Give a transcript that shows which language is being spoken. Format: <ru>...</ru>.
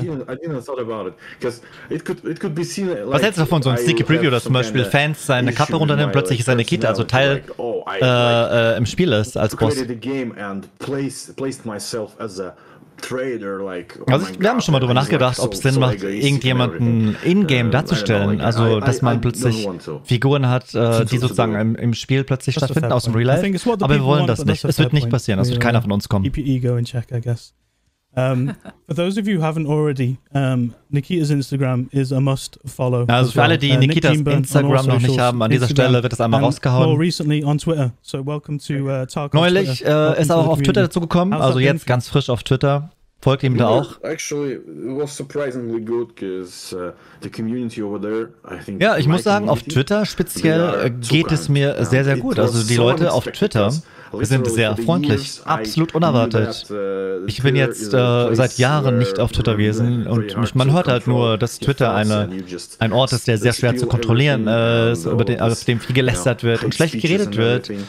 <en>I didn't thought about it because it could be seen. Like,</en> <de>was hältst du davon, so ein</de> <en>sneaky preview,</en> <de>dass zum Beispiel Fans seine Kappe runternehmen, plötzlich ist er Nikita, also Teil im Spiel ist als Boss. Also wir haben schon mal darüber nachgedacht, ob es Sinn macht, irgendjemanden in-game darzustellen. Also, dass man plötzlich Figuren hat, die sozusagen im Spiel plötzlich stattfinden, aus dem Real Life. Aber wir wollen das nicht. Es wird nicht passieren. Es wird keiner von uns kommen.</de> <en>Keep your ego in check, I guess. For those of you who haven't already, Nikita's Instagram is a must follow.</en> <de>Also für alle, die Nikitas Instagram noch nicht haben, an dieser Stelle wird das einmal rausgehauen.</de> <en>More recently on Twitter, so welcome to Tarkov.</en> <de>Neulich ist auch auf Twitter dazu gekommen, also jetzt ganz frisch auf Twitter. Folgt ihm da auch.</de> <en>Actually, it was surprisingly good, because the community over there, I think.</en> <de>Ja, ich muss sagen, auf Twitter speziell geht es mir sehr, sehr gut. Also die Leute auf Twitter sind sehr freundlich, absolut unerwartet. Ich bin jetzt seit Jahren nicht auf Twitter gewesen und man hört halt nur, dass Twitter ein Ort ist, der sehr schwer zu kontrollieren ist, auf dem viel gelästert wird und schlecht geredet wird.</de>